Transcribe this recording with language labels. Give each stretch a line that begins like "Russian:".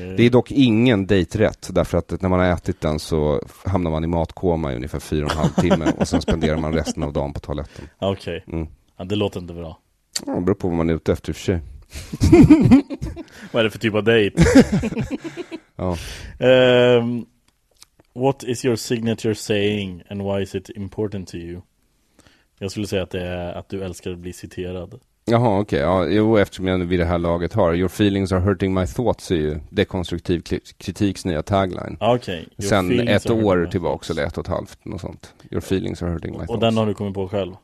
Swedish: Det är dock ingen dejträtt, därför att när man har ätit den så hamnar man i matkoma i ungefär 4,5 timme och sen spenderar man resten av dagen på toaletten. Okej. Ja, det låter inte bra. Ja, det beror på vad man är ute efter i och för sig. Vad är det för typ av dejt? Ja.
English: What is your signature saying and why is it important to you?
Swedish: Jag skulle säga att det är att du älskar att bli citerad. Jaha, okej. Okay. Ja, jo, eftersom jag vid det här laget har
English: "Your feelings are hurting my thoughts"
Swedish: är ju dekonstruktiv kritiks nya tagline.
English: Okay.
Swedish: Sen ett år tillbaka också, eller 1,5 och sånt.
English: "Your feelings are hurting my thoughts."
Swedish: Och den har du kommit på själv?